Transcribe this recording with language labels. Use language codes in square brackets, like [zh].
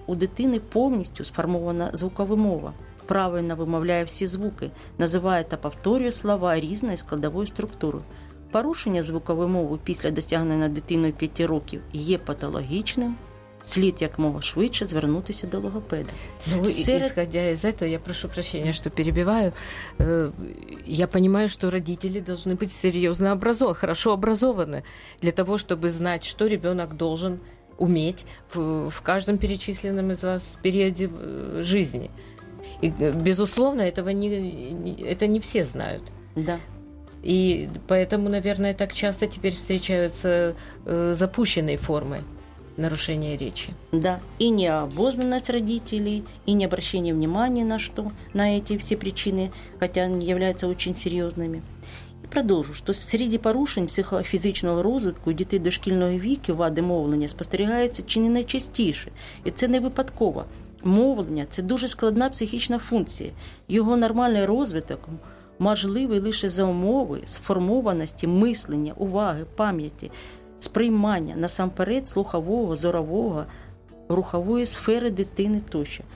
[uk] У дитини повністю сформована звукова мова. Правильно вимовляє всі звуки, називає та повторює слова різної складової структури. Порушення звукової мови після досягнення дитиною 5 років є патологічним. Слід якомога швидше звернутися до логопеда. [ru] Исходя из этого, я прошу прощения, что перебиваю. Я понимаю, что родители должны быть серьезно образованы, хорошо образованы, для того, чтобы знать, что ребенок должен уметь в каждом перечисленном из вас периоде жизни. И, безусловно, этого не все знают. Да. И поэтому, наверное, так часто теперь встречаются запущенные формы нарушения речи. Да, и необузданность родителей, и не обращение внимания на эти все причины, хотя они являются очень серьезными. [uk] И продолжу, что среди порушений психофизического развития у детей дошкільного віку вади мовлення спостерігається чи не найчастіше. И це не випадково. Мовлення – це дуже складна психічна функція. Його нормальний розвиток можливий лише за умови сформованості мислення, уваги, пам'яті, сприймання насамперед слухового, зорового, рухової сфери дитини тощо.